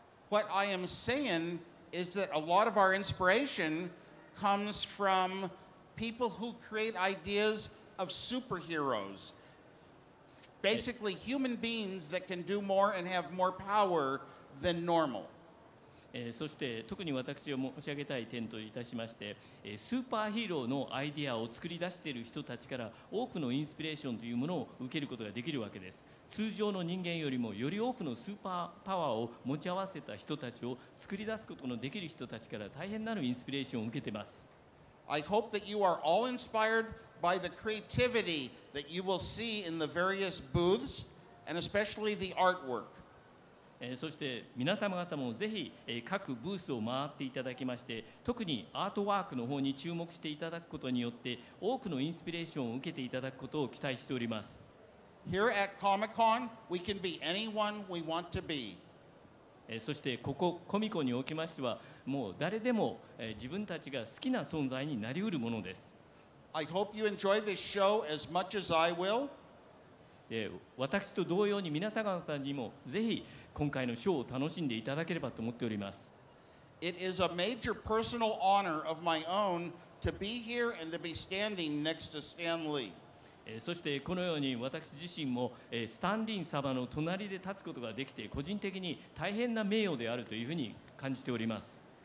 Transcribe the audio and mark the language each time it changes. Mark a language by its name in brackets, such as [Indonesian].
[English] What I am saying is that a lot of our inspiration comes from people who create ideas of superheroes. Basically, human beings that can do more and have more power than normal. [Japanese] そして特に私が申し上げたい点といたしまして、スーパーヒーローのアイデアを作り出している人たちから多くのインスピレーションというものを受けることができるわけです。通常の人間よりもより多くのスーパーパワーを持ち合わせた人たちを作り出すことのできる人たちから大変なるインスピレーションを受けています。 [English] I hope that you are all inspired by the creativity that you will see in the various booths and especially the artwork. [Japanese] そして皆様方もぜひ各ブースを回っていただきまして、特にアートワークの方に注目していただくことによって多くのインスピレーションを受けていただくことを期待しております。 [English] Here at Comic-Con, we can be anyone we want to be. [Japanese] そしてここコミコンにおきましてはもう誰でも自分たちが好きな存在になりうるものです。 [English] I hope you enjoy this show as much as I will. [Japanese] 私と同様に皆様方にもぜひ今回のショーを楽しんでいただければと思っております。 [English] It is a major personal honor of my own to be here and to be standing next to Stan Lee. [Japanese] そしてこのように私自身もスタンリン様の隣で立つことができて個人的に大変な名誉であるというふうに感じております。